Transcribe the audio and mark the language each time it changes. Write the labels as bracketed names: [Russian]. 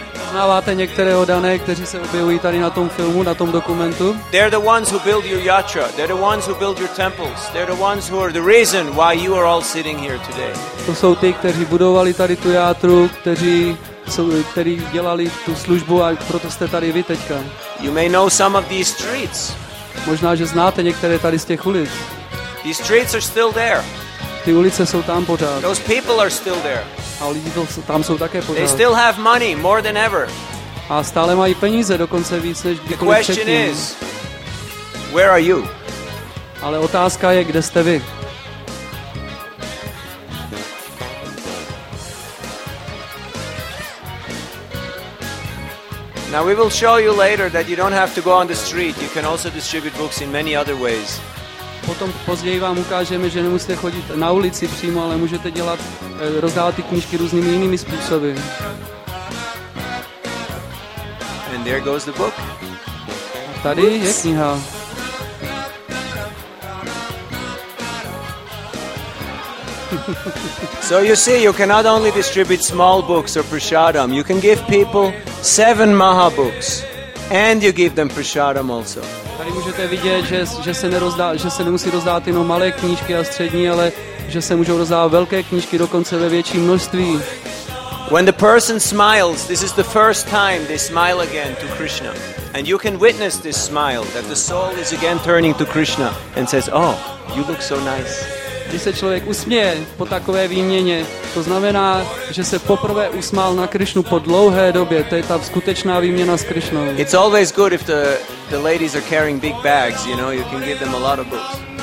[Czech] Znáváte některého dané, kteří se objevují tady na tom filmu, na tom dokumentu? [English] They're the ones who build your yatra. They're the ones who build your temples. They're the ones who are the reason why you are all sitting here today. [Czech] To jsou ty, kteří budovali tady tu játru, kteří dělali tu službu a proto jste tady vy teďka. [English] You may know some of these streets. [Czech] Možná, že znáte některé tady z těch ulic. [English] These streets are still there. [Czech] Ty ulice jsou tam pořád. [English] Those people are still there. [Czech] A lidi jsou, tam jsou také pořád. [English] They still have money more than ever. [Czech] A stále mají peníze, dokonce víc než kdykoliv. [English] The question is, where are you? [Czech] Ale otázka je, kde jste vy? [English] Now we will show you later that you don't have to go on the street. You can also distribute books in many other ways. [Czech] Potom později vám ukážeme, že nemusíte chodit na ulici přímo, ale můžete dělat rozdávat ty knížky různými jinými způsoby. [English] And there goes the book. [Czech] A tady Oops. Je kniha. [English] So you see, you cannot only distribute small books or prasadam. You can give people 7 maha books, and you give them prasadam also. [Czech] Tady můžete vidět, že se nemusí rozdávat jenom malé knížky a střední, ale že se můžou rozdávat velké knížky dokonce ve větším množství. [English] When the person smiles, this is the first time they smile again to Krishna, and you can witness this smile that the soul is again turning to Krishna and says, "Oh, you look so nice." [Czech] Když se člověk usměje po takové výměně, to znamená, že se poprvé usmál na Krišnu po dlouhé době. To je ta skutečná výměna s Krišnou. [English] It's always good if the ladies are carrying big bags, you know, you can give them a lot of books.